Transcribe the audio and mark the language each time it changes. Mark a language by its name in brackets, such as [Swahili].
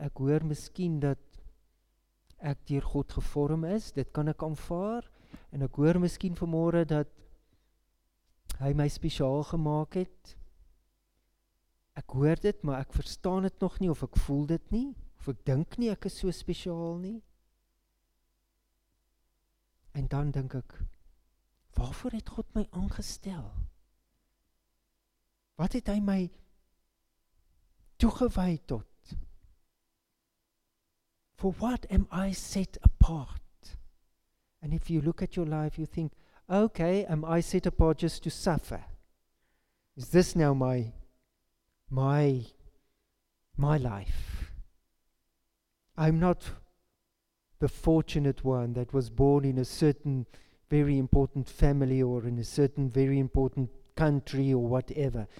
[Afrikaans] Ek hoor miskien dat ek deur God gevorm is. Dit kan ek aanvaar. En ek hoor miskien vanmôre dat hy my spesiaal gemaak het. Ek hoor dit, maar ek verstaan dit nog nie of ek voel dit nie. Of ek dink nie ek is so spesiaal nie. En dan dink ek, waarvoor het God my aangestel? Wat het hy my toegewy tot? [English] For what am I set apart? And if you look at your life, you think, okay, am I set apart just to suffer? Is this now my life? I'm not the fortunate one that was born in a certain very important family or in a certain very important country or whatever.